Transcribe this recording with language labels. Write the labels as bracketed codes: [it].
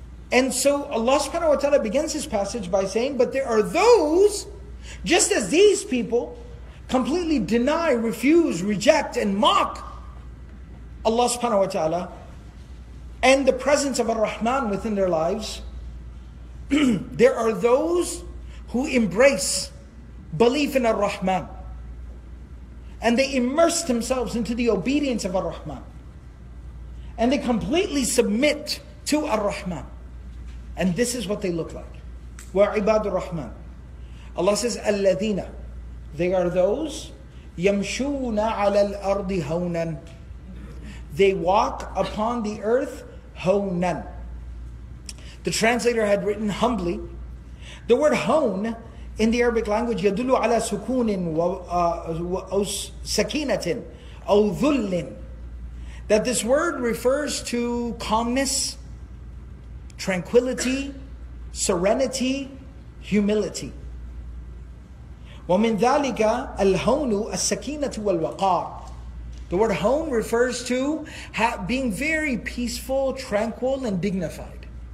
[en] And so Allah subhanahu wa ta'ala begins his passage by saying, but there are those, just as these people completely deny, refuse, reject, and mock Allah subhanahu wa ta'ala and the presence of Ar-Rahman within their lives, there are those who embrace belief in Ar-Rahman. And they immerse themselves into the obedience of Ar-Rahman. And they completely submit to Ar-Rahman. And this is what they look like. [ar] وَعِبَادُ الرَّحْمَنِ. [en] Allah says, [ar] الَّذِينَ. [en] They are those, [ar] يَمْشُونَ عَلَى الْأَرْضِ هَوْنًا. [en] They walk upon the earth, [ar] هَوْنًا. [en] The translator had written humbly. The word هَوْن in the Arabic language, [ar] يَدُلُّ عَلَى سُكُونٍ وَسَكِينَةٍ أَوْ ذُلٍ. [en] That this word refers to calmness, tranquility, serenity, humility. [ar] وَمِنْ ذَلِكَ الْهَوْنُ السَّكِينَةُ وَالْوَقَارُ. [en] The word hone refers to being very peaceful, tranquil, and dignified.